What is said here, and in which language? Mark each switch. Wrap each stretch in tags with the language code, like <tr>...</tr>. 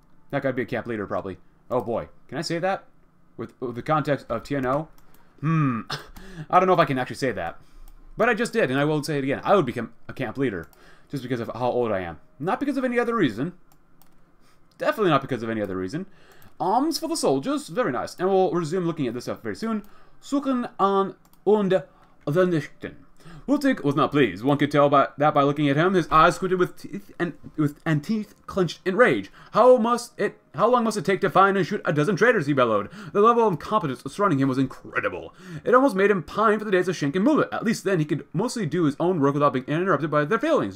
<en>That guy'd be a camp leader, probably. Oh, boy. Can I say that? With the context of TNO? I don't know if I can actually say that. But I just did, and I will say it again. I would become a camp leader. Just because of how old I am. Not because of any other reason. Definitely not because of any other reason. Alms for the soldiers? Very nice. And we'll resume looking at this stuff very soon.</en> <de>Suchen an und vernichten.</de> <en>Huttig was not pleased. One could tell by looking at him. His eyes squinted with teeth clenched in rage. How long must it take to find and shoot a dozen traitors? He bellowed. The level of incompetence surrounding him was incredible. It almost made him pine for the days of Schenck and Müller. At least then he could mostly do his own work without being interrupted by their failings.</en>